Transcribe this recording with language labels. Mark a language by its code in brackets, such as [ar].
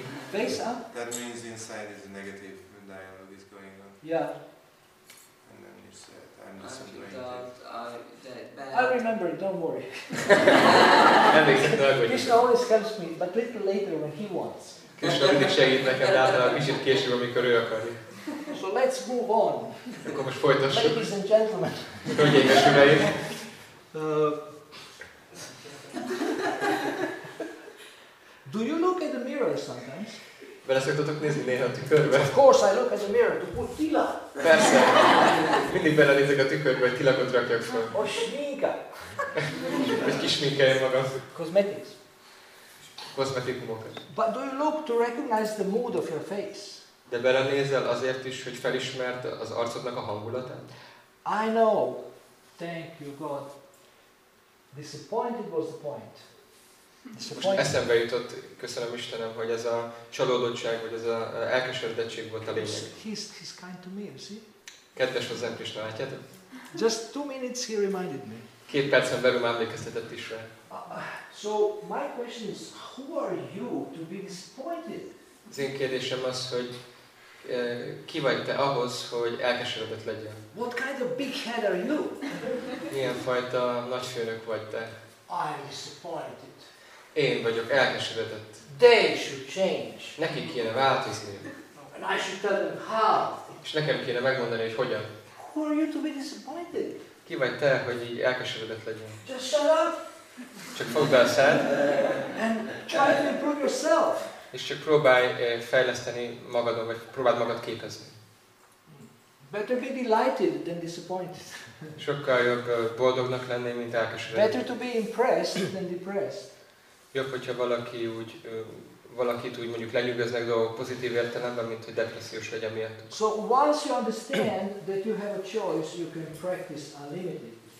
[en] Face up. That means inside is a negative dialogue is going on. Yeah. And then you said, I'm disappointed. I remember, don't worry. Krishna always helps me, but little later when he wants. [hu] Krishna mindig segít nekem, de általában kicsit később, amikor ő akarja. [en] So let's move on. [hu] Akkor most folytassuk. [en] Ladies and gentlemen. [hu] Hölgyeim és uraim. [en] Do you look at the mirror sometimes? [hu] Vele szoktatok nézni néha a tükörbe? [en] Of course I look at the mirror to put tila. [hu] Persze. Mindig bele nézek a tükörbe, hogy tilakot rakjak fel. A sminka. Hogy kisminkelj magam. [en] Cosmetics. [hu] Kozmetikumokat. [en] But do you look to recognize the mood of your face? [hu] De belenézel azért is, hogy felismerd az arcodnak a hangulatát? [en] I know. Thank you God. Disappointed was the point. [hu] Eszembe jutott, köszönöm Istenem, hogy ez a csalódottság, vagy ez a elkeseredettség volt a lényeg. [en] He's kind to me, you see? [hu] Kedves hozzám, Krisna, látjátok? [en] Just 2 minutes he reminded me. [hu] 2 percen belül már emlékeztetett is rá. [en] So my question is, who are you to be disappointed? [hu] Az én kérdésem az, hogy ki vagy te ahhoz, hogy elkeseredett legyen? [en] What kind of big head are you? [hu] Milyen fajta nagyfőnök vagy te? [en] I'm disappointed. [hu] Én vagyok elkeseredett. [en] They should change. [hu] Nekik kéne változni. [en] And I should tell them how. [hu] És nekem kéne megmondani, hogy hogyan. [en] Who are you to be disappointed? [hu] Ki vagy te, hogy így elkeseredett legyen? [en] Just shut up. [hu] Csak fogd be a szád. [en] And try to improve yourself. [hu] És csak próbálj fejleszteni magadon, vagy próbáld magad képezni. [en] Better be delighted than disappointed. [hu] Sokkal jobb boldognak lenni, mint elkeseredett. [en] Better to be impressed than depressed. [hu] Jobb, hogyha valaki úgy, valakit úgy mondjuk lenyűgöznek dolgok pozitív értelemben, mint hogy depressziós legyen miatt. [en] So once you understand that you have a choice, you can practice unlimited.